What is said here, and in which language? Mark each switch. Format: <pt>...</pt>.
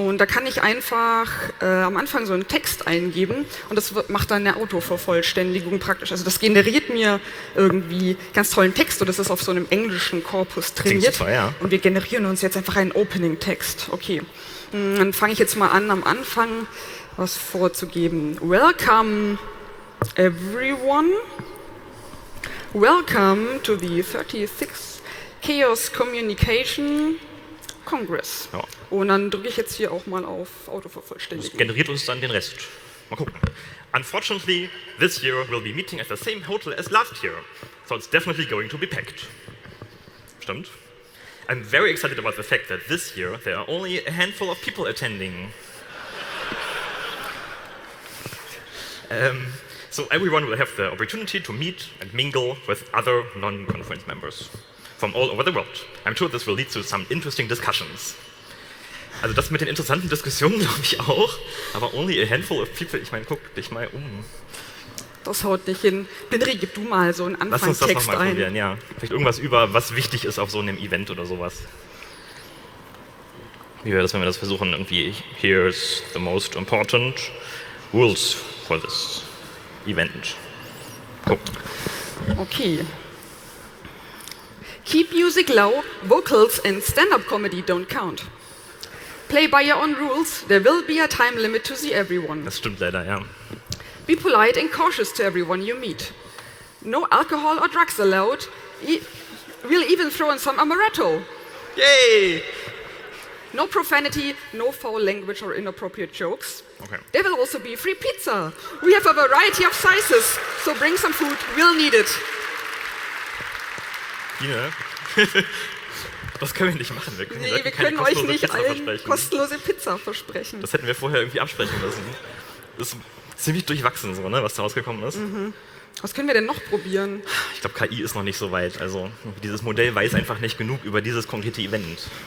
<de>Und da kann ich einfach am Anfang so einen Text eingeben und das macht dann eine Autovervollständigung praktisch. Also das generiert mir irgendwie ganz tollen Text und das ist auf so einem englischen Korpus trainiert. Super, ja. Und wir generieren uns jetzt einfach einen Opening-Text. Okay, dann fange ich jetzt mal an, am Anfang was vorzugeben.</de> <en>Welcome... Everyone, welcome to the 36th Chaos Communication Congress.</en> <de>Ja. Und dann drücke ich jetzt hier auch mal auf Autovervollständigung. Das generiert uns dann den Rest. Mal gucken.</de> <en>Unfortunately, this year we'll be meeting at the same hotel as last year, so it's definitely going to be packed.</en> <de>Stimmt.</de> <en>I'm very excited about the fact that this year there are only a handful of people attending. So everyone will have the opportunity to meet and mingle with other non-conference members from all over the world. I'm sure this will lead to some interesting discussions.</en> <de>Also das mit den interessanten Diskussionen glaube ich auch, aber</de> <en>only a handful of people,</en> <de>ich meine, guck dich mal um. Das haut nicht hin. Benri, gib du mal so einen Anfangstext ein. Lass uns das nochmal probieren, ja. Vielleicht irgendwas über, was wichtig ist auf so einem Event oder sowas. Wie wäre das, wenn wir das versuchen, irgendwie,</de> <en>here's the most important rules for this event.</en> <de>Guck. Okay.</de> <en>Keep music low, vocals and stand-up comedy don't count. Play by your own rules, there will be a time limit to see everyone.</en> <de>Das stimmt leider, ja.</de> <en>Be polite and cautious to everyone you meet. No alcohol or drugs allowed. We'll even throw in some amaretto. Yay! No profanity, no foul language or inappropriate jokes. Okay. There will also be free pizza. We have a variety of sizes, so bring some food, we'll need it. Yeah.</en> <de>Das können wir nicht machen. Wir können, nee, wir können euch nicht allen kostenlose Pizza versprechen. Das hätten wir vorher irgendwie absprechen müssen. Das ist ziemlich durchwachsen, so, ne, was da rausgekommen ist. Mhm. Was können wir denn noch probieren? Ich glaube, KI ist noch nicht so weit. Also dieses Modell weiß einfach nicht genug über dieses konkrete Event.</de>